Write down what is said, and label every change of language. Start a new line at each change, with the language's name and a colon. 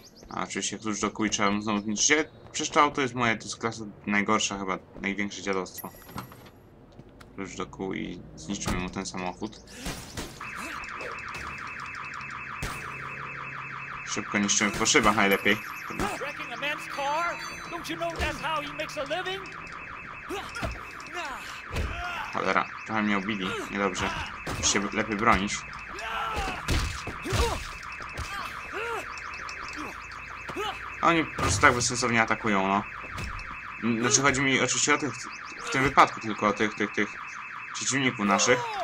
Polish: A oczywiście klucz do kui trzeba znowu zniszczyć. Przecież to auto jest moje, to jest klasa najgorsza, chyba największe dziadostwo. Klucz do kół i zniszczymy mu ten samochód. Szybko niszczymy po szybach najlepiej.
English: Don't you know that's how he makes a living?
Polish: Cholera, trochę mnie obili, niedobrze. Muszę się lepiej bronić. Oni po prostu tak bezsensownie atakują, no. Znaczy chodzi mi oczywiście o tych, w tym wypadku tylko o tych przeciwników naszych.